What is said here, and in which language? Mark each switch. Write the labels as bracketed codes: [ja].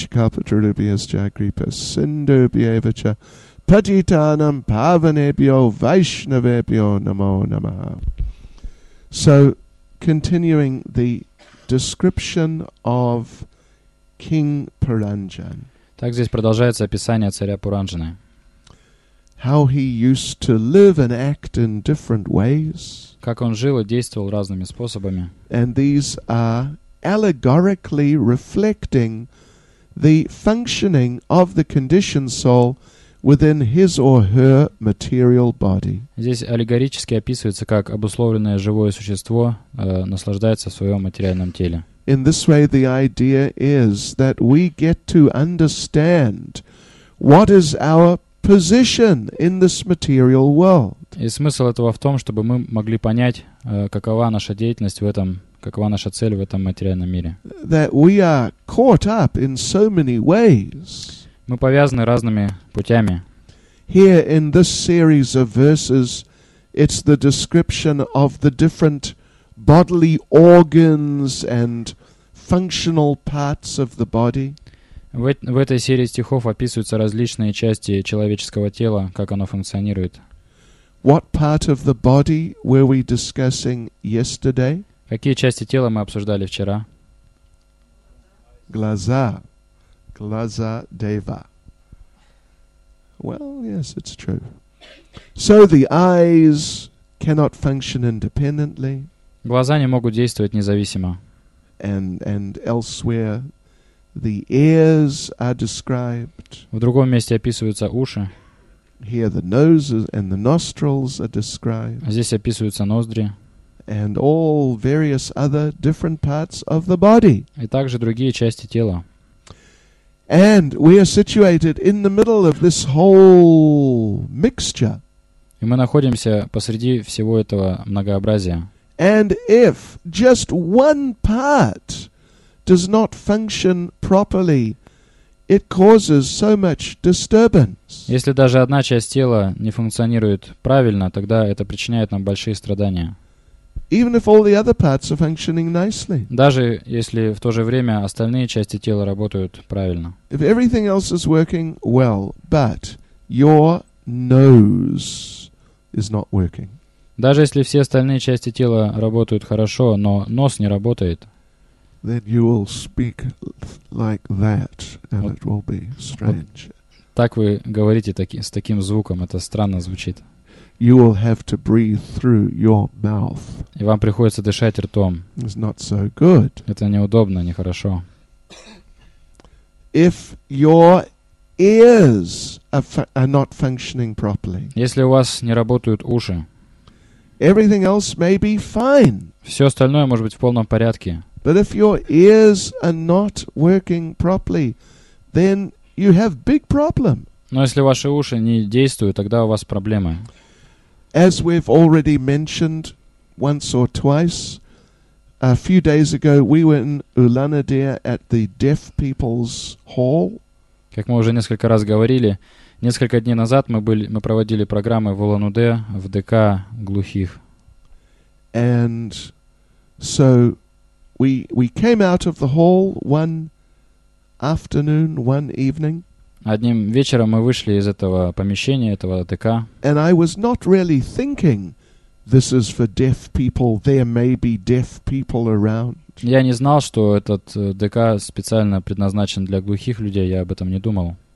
[sa] Vanchakalpatarubhyascha kripa sindubhyevacha. Patitanam pavanebhyo vaishnavebhyo namo namaha. [en] So, continuing the description of King Paranjan. [ru] Так здесь продолжается описание царя Паранджаны. [en] How he used to live and act in different ways. [ru] Как он жил и действовал разными способами. [en] And these are allegorically reflecting the functioning of the conditioned soul within his or her material body. [ru] Здесь аллегорически описывается, как обусловленное живое существо наслаждается в своем материальном теле. [en] In this way, the idea is that we get to understand what is our position in this material world. [ru] И смысл этого в том, чтобы мы могли понять, какова наша деятельность в этом какова наша цель в этом материальном мире. [en] That we are caught up in so many ways. [ru] Мы повязаны разными путями. [en] Here in this series of verses, it's the description of the different bodily organs and functional parts of the body. [ru] В этой серии стихов описываются различные части человеческого тела, как оно функционирует. [en] What part of the body were we discussing yesterday? [ru] Какие части тела мы обсуждали вчера? Глаза. Глаза дева. [en] Well, yes, it's true. So the eyes cannot function independently. [ru] Глаза не могут действовать независимо. [en] And elsewhere the ears are described. [ru] В другом месте описываются уши. [en] Here the nose and the nostrils are described. [ru] Здесь описываются ноздри. [en] And all various other different parts of the body. [ru] И также другие части тела. [en] And we are situated in the middle of this whole mixture. [ru] И мы находимся посреди всего этого многообразия. [en] And if just one part does not function properly, it causes so much disturbance. [ru] Если даже одна часть тела не функционирует правильно, тогда это причиняет нам большие страдания. [en] Even if all the other parts are functioning nicely. [ru] Даже если в то же время остальные части тела работают правильно. [en] If everything else is working well, but your nose is not working. [ru] Даже если все остальные части тела работают хорошо, но нос не работает. [en] Then you will speak like that, and it will be strange. [ru] Так вы говорите с таким звуком, это странно звучит. [en] You will have to breathe through your mouth. [ru] И вам приходится дышать ртом. [en] It's not so good. [ru] Это неудобно, нехорошо. [en] If your ears are not functioning properly. [ru] Если у вас не работают уши. [en] Everything else may be fine. [ru] Все остальное может быть в полном порядке. [en] But if your ears are not working properly, then you have big problem. [ru] Но если ваши уши не действуют, тогда у вас проблемы. [en] As we've already mentioned once or twice, a few days ago we were in Улан-Удэ at the Deaf People's Hall. [ru] Как мы уже несколько раз говорили, несколько дней назад мы проводили программы в Улан-Удэ в ДК глухих. [en] And so we came out of the hall one afternoon, one evening. [ru] Одним вечером мы вышли из этого помещения, этого ДК. [en] And I was not really thinking this is for deaf people, there may be deaf people around. [ru] Я не знал, что этот ДК специально предназначен для глухих людей, я об этом не думал.